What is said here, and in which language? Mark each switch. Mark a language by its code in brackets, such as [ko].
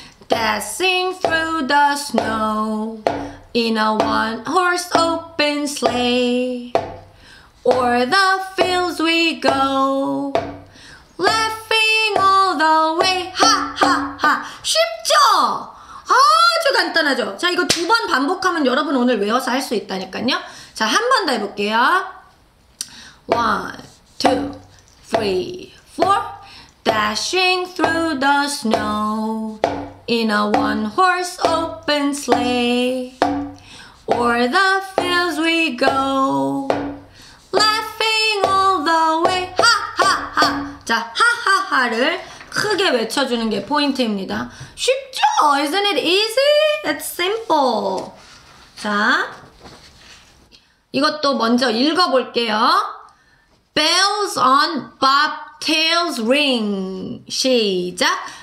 [en] Dashing through the snow in a one horse open sleigh. O'er the fields we go, laughing all the way. [ko] 하, 하, 하. 쉽죠? 아주 간단하죠? 자, 이거 두 번 반복하면 여러분 오늘 외워서 할 수 있다니까요. 자, 한 번 더 해볼게요. [en] One, two, three, four. Dashing through the snow in a one horse open sleigh. O'er the fields we go, laughing all the way. [ko] 하, 하, 하. 자, 하, 하, 하를 크게 외쳐주는 게 포인트입니다. 쉽죠? [en] Isn't it easy? It's simple. [ko] 자, 이것도 먼저 읽어볼게요. [en] Bells on bobtails ring. [ko] 시작.